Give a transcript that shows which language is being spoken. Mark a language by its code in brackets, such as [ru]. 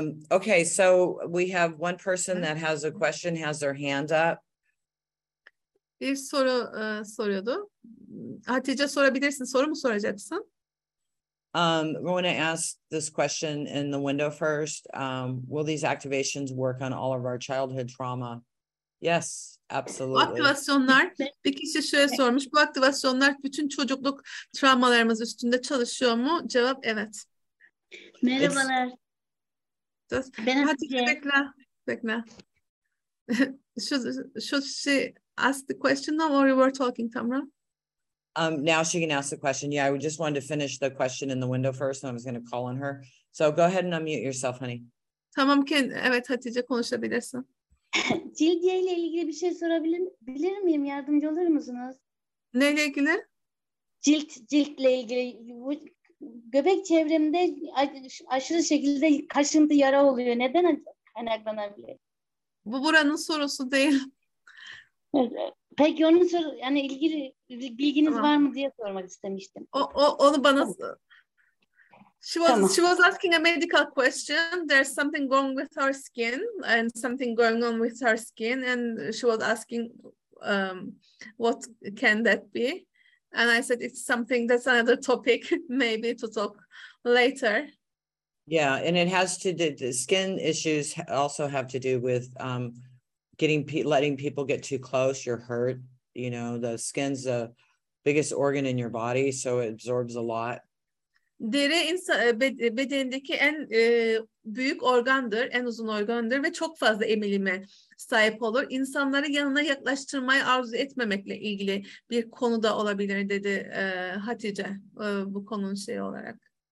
[en] Okay, so we have one person that has a question, has their hand up. [tr] Bir soru soruyordu. Hatice, sorabilirsin. Soru mu soracaksın? [en] We want to ask this question in the window first. Will these activations work on all of our childhood trauma? Yes. Absolutely. [tr] Aktivasyonlar, bir kişi şöyle sormuş, bu aktivasyonlar bütün çocukluk travmalarımız üstünde çalışıyor mu? Cevap evet. Merhabalar. Ben Hatice. Bekle. [en] should she ask the question now or you were talking, Tamra? Now she can ask the question. Yeah, I just wanted to finish the question in the window first and I was going to call on her. So go ahead and unmute yourself, honey. [tr] Tamam, evet Hatice, konuşabilirsin. Cilt yağı ile ilgili bir şey sorabilir miyim? Yardımcı olur musunuz? Neyle ilgili? Ciltle ilgili. Göbek çevremde aşırı şekilde kaşıntı, yara oluyor. Neden kaynaklanabilir? Bu buranın sorusu değil. Peki onun soru, yani ilgili bilginiz tamam. Var mı diye sormak istemiştim. Onu bana... [en] She was asking a medical question. There's something wrong with her skin and something going on with her skin. And she was asking what can that be? And I said, it's something that's another topic maybe to talk later. Yeah, and it has to do, the skin issues also have to do with letting people get too close. You're hurt. You know, the skin's the biggest organ in your body, so it absorbs a lot. [tr] Deri insan bedenindeki en büyük organdır, en uzun organdır ve çok fazla emilime sahip olur. İnsanları yanına yaklaştırmayı arzu etmemekle ilgili bir konu da olabilir dedi Hatice bu konunun şeyi olarak.